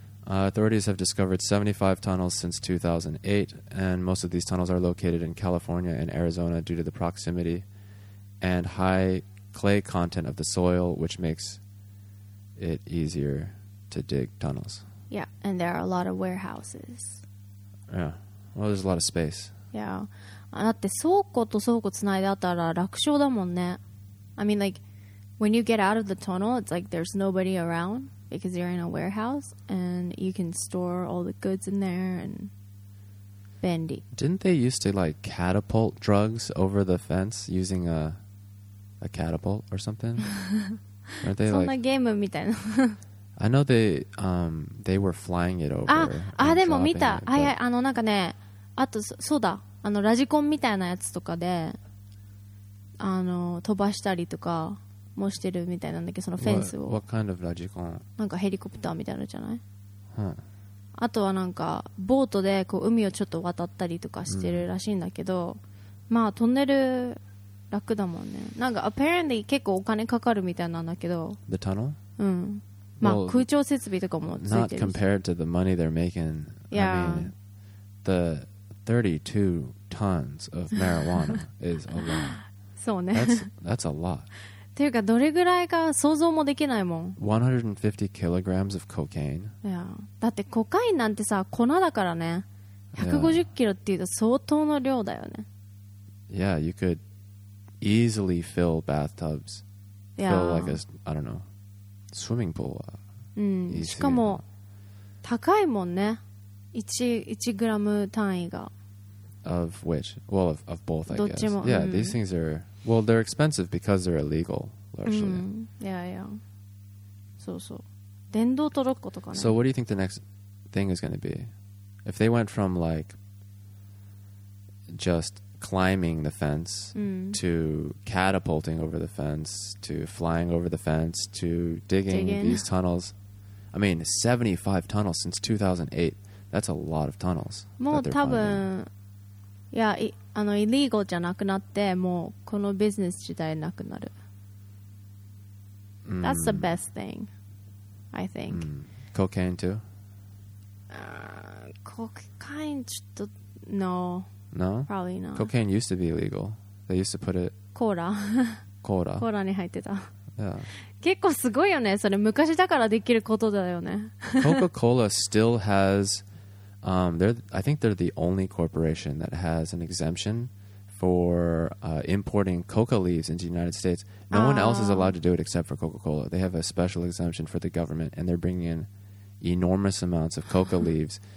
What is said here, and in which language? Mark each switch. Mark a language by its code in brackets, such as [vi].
[en] Authorities have discovered 75 tunnels since 2008, and most of these tunnels are located in California and Arizona due to the proximity and high clay content of the soil, which makes it easier to dig tunnels. Yeah, and there are a lot of warehouses. Yeah. Well, there's a lot of space. Yeah. [ja] だって倉庫と倉庫つないであったら楽勝だもんね。 [en] I mean, like, when you get out of the tunnel, it's like there's nobody around. Because you're in a warehouse and you can store all the goods in there and bendy. Didn't they used to like catapult drugs over the fence using a catapult or something? Aren't they like... [ja] そんなゲームみたいな。 [en] I know they were flying it over. [ja] あ、でも見た。あ、いや、あのなんかね、あとそうだ。あのラジコンみたいなやつとかで、あの飛ばしたりとか。もしてるみたいなんだけど、そのフェンスを [en] What kind of logical? [ja] なんかヘリコプターみたいなのじゃない、 huh. あとはなんかボートでこう海をちょっと渡ったりとかしてるらしいんだけど、まあトンネル楽だもんね。なんか apparently 結構お金かかるみたいなんだけど、 [en] The tunnel? [ja] うん、まあ空調設備とかもついてる。 [en] Not compared to the money they're making. Yeah. I mean, the 32 tons of marijuana is a lot. [ja] そうね。 [en] That's a lot. [ja] っていうかどれぐらいか想像もできないもん。 [en] 150kg of cocaine。 [ja] いや、だってコカインなんてさ粉だからね、150kg っていうと相当の量だよね。 [en] Yeah, you could easily fill bathtubs. Yeah. Fill like a, I don't know, swimming pool. [ja] うん、しかも高いもんね、 1g 単位が。 [en] Of which? Well, of both, I guess. [ja] どっちも。 [en] Yeah, these things areWell, they're expensive because they're illegal, largely. Mm-hmm. Yeah, yeah. So, so. [ja] 電動トロッコとかね。 [en] So, what do you think the next thing is going to be? If they went from, like, just climbing the fence、mm-hmm. to catapulting over the fence to flying over the fence to digging these tunnels. I mean, 75 tunnels since 2008. That's a lot of tunnels. [ja] もう多分 yeah, it... あのイリーゴじゃなくなって、もうこのビジネス自体なくなる、mm. [en] That's the best thing I think、mm. Cocaine too? [ja] Cocaine ちょっと No [en] No? Probably not. Cocaine used to be illegal. They used to put it [ja] コーラコーラ。コーラに入ってた。 [en] Yeah. [ja] 結構すごいよね。それ昔だからできることだよね。 [en] Coca-Cola still has, I think they're the only corporation that has an exemption for importing coca leaves into the United States. No one else is allowed to do it except for Coca-Cola. They have a special exemption for the government, and they're bringing in enormous amounts of coca leaves.